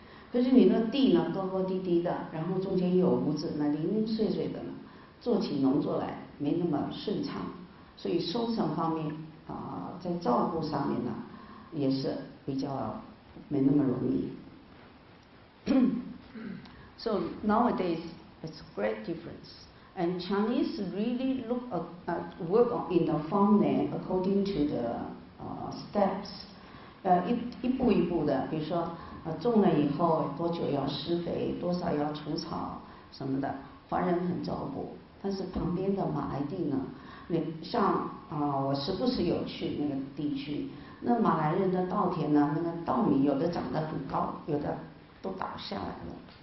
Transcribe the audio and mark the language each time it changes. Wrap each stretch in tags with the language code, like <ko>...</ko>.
<zh>可是你那地呢高高低低的，然后中间有屋子那零零碎碎的呢，做起农作来没那么顺畅，所以收成方面在照顾上面呢也是比较没那么容易。</zh> <en>So nowadays it's a great difference, and Chinese really look at work in the farmland according to the steps.</en> <zh>一步一步的，比如说种了以后多久要施肥，多少要除草什么的，华人很照顾。但是旁边的马来地呢，你像我时不时有去那个地区，那马来人的稻田呢，那个稻米有的长得很高，有的都倒下来了。</zh>